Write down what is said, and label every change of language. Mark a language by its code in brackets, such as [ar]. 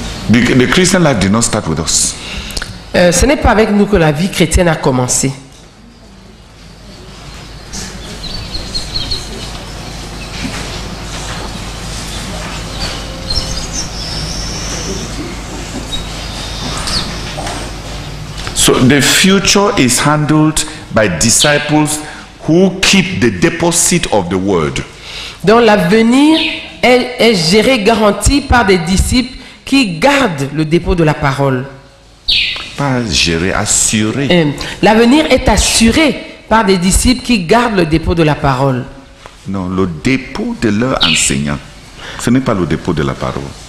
[en] The Christian life did not start with us. [fr] Ce n'est pas avec nous que la vie chrétienne a commencé. [en] So the future is handled by disciples who keep the deposit of the word. [fr] Donc l'avenir est géré, garanti par des disciples qui gardent le dépôt de la parole. pas géré, assuré. L'avenir est assuré par des disciples qui gardent le dépôt de la parole. Non, le dépôt de leur enseignant, ce n'est pas le dépôt de la parole.